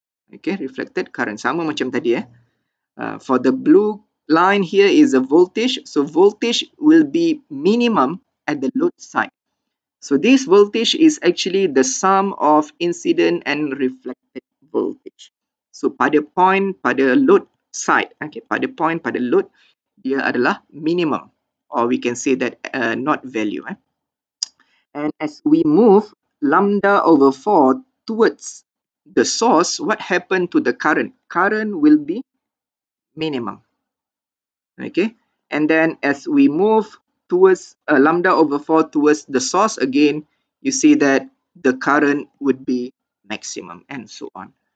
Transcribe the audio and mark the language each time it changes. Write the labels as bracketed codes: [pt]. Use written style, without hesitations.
[en] Okay, reflected current. [ms] Sama macam tadi, eh? [en] For the blue line here is a voltage. So voltage will be minimum at the load side. So this voltage is actually the sum of incident and reflected voltage. [ms] So pada point, pada load side. Okay, pada point, pada load, dia adalah minimum. [en] Or we can say that not value. Eh? And as we move lambda over 4 towards the source, what happened to the current? Current will be minimum. Okay. And then as we move towards lambda over 4 towards the source again, you see that the current would be maximum and so on.